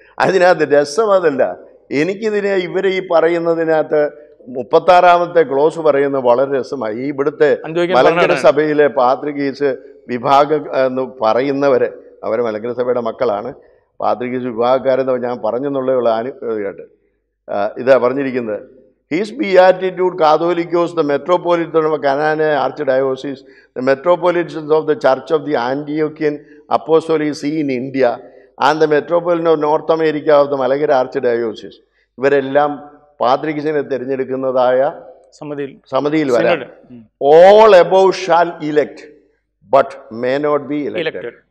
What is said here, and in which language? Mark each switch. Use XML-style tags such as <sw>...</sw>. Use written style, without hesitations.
<ml>അതിനകത്ത് രസം അതല്ല, എനിക്കിതിനെ ഇവരെ ഈ പറയുന്നതിനകത്ത് 36-ാമത്തെ ക്ലോസ് പറയുന്നത് വളരെ രസമായി. ഈ ഇവിടുത്തെ മലങ്കര സഭയിലെ പാത്രികീസ് വിഭാഗം എന്ന് പറയുന്നവര്, അവർ മലങ്കര സഭയുടെ മക്കളാണ്, പാത്രികീസ് വിഭാഗക്കാരെന്ന് ഞാൻ പറഞ്ഞെന്നുള്ളതുള്ള അനുകേട്ട് ഇതാ പറഞ്ഞിരിക്കുന്നത്.</ml> <en>His beatitude Catholicos, the Metropolitan of Canaan Archdiocese, the Metropolitans of the Church of the Antiochian Apostolic See in India, and the Metropolitan of North America of the Malagar Archdiocese.</en> <ml>ഇവരെല്ലാം പാത്രികീസിനെ തിരഞ്ഞെടുക്കുന്നതായ സമിതിയിൽ വരാം.</ml> <en>All above shall elect, but may not be elected.</en>